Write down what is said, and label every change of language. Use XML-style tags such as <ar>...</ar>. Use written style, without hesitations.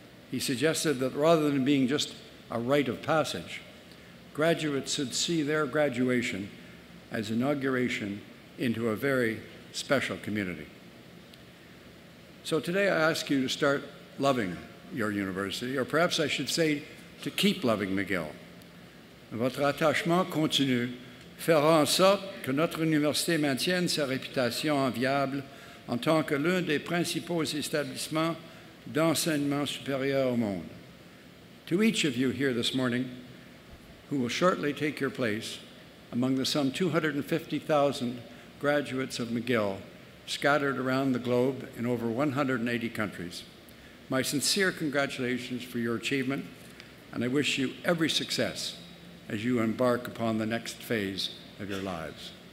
<en>He suggested that rather than being just a rite of passage, graduates should see their graduation as inauguration into a very special community. So today I ask you to start loving your university, or perhaps I should say to keep loving McGill.</en> <fr>Votre attachement continu fera en sorte que notre université maintienne sa réputation enviable en tant que l'un des principaux établissements d'enseignement supérieur au monde.</fr> <en>To each of you here this morning, who will shortly take your place among the some 250,000 graduates of McGill scattered around the globe in over 180 countries. My sincere congratulations for your achievement, and I wish you every success as you embark upon the next phase of your lives.</en>